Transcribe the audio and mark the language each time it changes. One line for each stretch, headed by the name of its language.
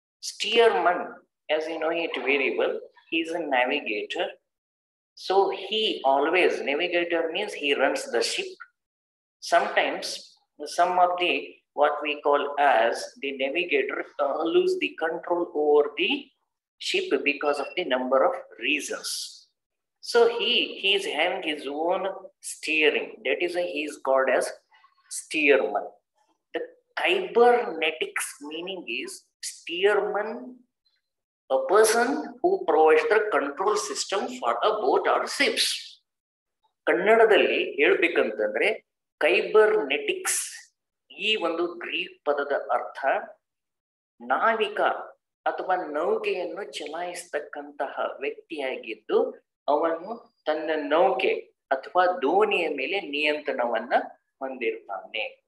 English: Steersman, as you know it very well, he is a navigator. So he always, navigator means he runs the ship. Sometimes some of the what we call as the navigator lose the control over the ship because of the number of reasons. So he is having his own steering. That is why he is called as steerman. The cybernetics meaning is steerman, a person who provides the control system for a boat or ships.
Kannada: ಕನ್ನಡದಲ್ಲಿ ಹೇಳ್ಬೇಕಂತಂದ್ರೆ ಕೈಬರ್ನೆಟಿಕ್ಸ್ ಈ ಒಂದು Greek ಪದದ ಅರ್ಥ ನಾವಿಕ ಅಥವಾ ನೌಕೆಯನ್ನು ಚಲಾಯಿಸತಕ್ಕಂತಹ ವ್ಯಕ್ತಿಯಾಗಿದ್ದು ಅವನು ತನ್ನ ನೌಕೆ ಅಥವಾ ದೋಣಿಯ ಮೇಲೆ ನಿಯಂತ್ರಣವನ್ನ ಹೊಂದಿರ್ತಾನೆ.